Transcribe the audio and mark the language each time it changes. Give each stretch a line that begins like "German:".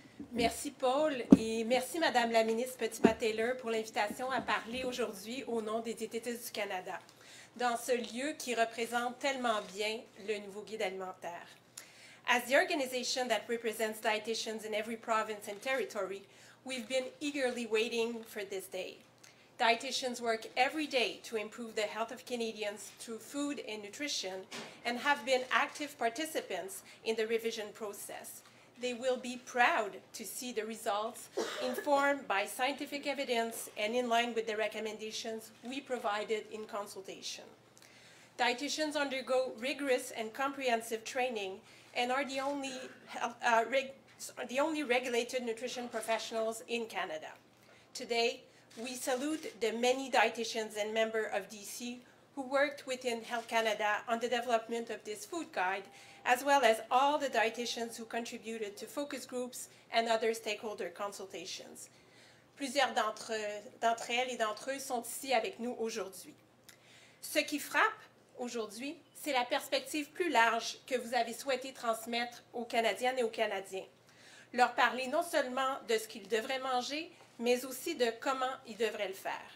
French: Merci, Paul, et merci, Madame la ministre Petitpas-Taylor, pour l'invitation à parler aujourd'hui au nom des diététistes du Canada, dans ce lieu qui représente tellement bien le nouveau guide alimentaire.
English: As the organization that represents dietitians in every province and territory, we've been eagerly waiting for this day. Dietitians work every day to improve the health of Canadians through food and nutrition and have been active participants in the revision process. They will be proud to see the results informed by scientific evidence and in line with the recommendations we provided in consultation. Dietitians undergo rigorous and comprehensive training and are the only regulated nutrition professionals in Canada. Today, we salute the many dietitians and members of DC who worked within Health Canada on the development of this food guide, as well as all the dietitians who contributed to focus groups and other stakeholder consultations.
French: Plusieurs d'entre elles et d'entre eux sont ici avec nous aujourd'hui. Ce qui frappe aujourd'hui, c'est la perspective plus large que vous avez souhaité transmettre aux Canadiennes et aux Canadiens. Leur parler non seulement de ce qu'ils devraient manger, mais aussi de comment ils devraient le faire.